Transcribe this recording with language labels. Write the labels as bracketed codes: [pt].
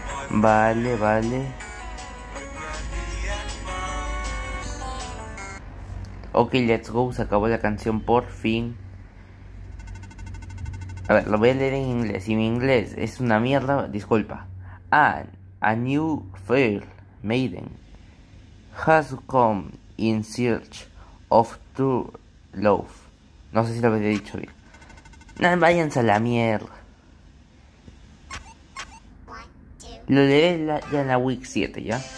[es] Vale. [en] Ok, let's go, [es] se acabó la canción por fin. A ver, lo voy a leer en inglés. Si mi inglés es una mierda, disculpa. [en] A new fair maiden has come in search of true love. [es] No sé si lo había dicho bien. No, váyanse a la mierda. Lo leeré ya en la week 7, ¿ya?